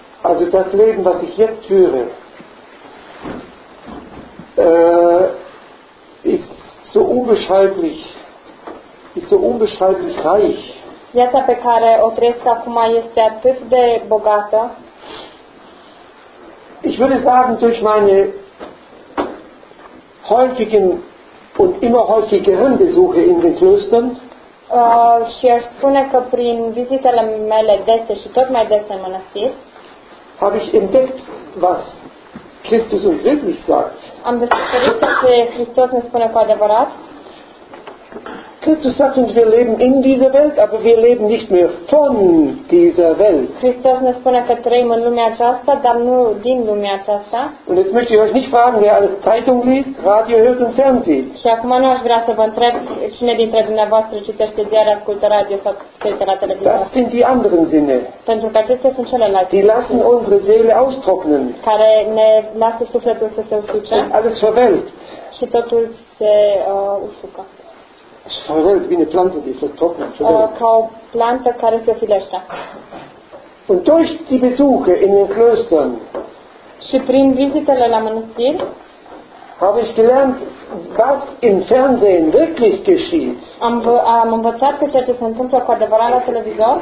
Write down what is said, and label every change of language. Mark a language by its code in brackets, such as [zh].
[de] Also das Leben, was ich jetzt führe, ist so unbeschreiblich reich. [ro] Viața pe care o trăiesc acum este atât de bogată. [de] Ich würde sagen, durch meine häufigen und immer häufigeren Besuche in den Klöstern. [ro] Și aș spune că prin vizitele mele dese și tot mai dese în mănăstiri, [de] habe ich entdeckt, was Christus uns wirklich sagt. [ro] Am descoperit ce Hristos ne spune cu adevărat. [de] Christus sagt uns, wir leben in dieser Welt, aber wir leben nicht mehr von dieser Welt. [ro] Christus ne spune că trăim în lumea aceasta, dar nu din lumea aceasta. [de] Und jetzt möchte ich euch nicht fragen, wer alles Zeitung liest, Radio hört und Fernsehen. [ro] Și acum nu aș vrea să vă întreb cine dintre dumneavoastră citește ziare, ascultă radio sau citește la televizor. [de] Das sind die anderen Sinne. [ro] Pentru că acestea sunt celelalte. [de] Die lassen unsere Seele austrocknen. [ro] Care ne lasă sufletul să se usuce. [de] Und alles verwelkt. [ro] Și totul se usucă. [de] Verwelkt wie eine Pflanze, die vertrocknet. [ro] Ca o plantă care se filește. [de] Und durch die Besuche in den Klöstern. [ro] Și prin vizitele la mănăstiri. [de] Habe ich gelernt, was im Fernsehen wirklich geschieht. [ro] Am învățat că ceea ce se întâmplă cu adevărat la televizor.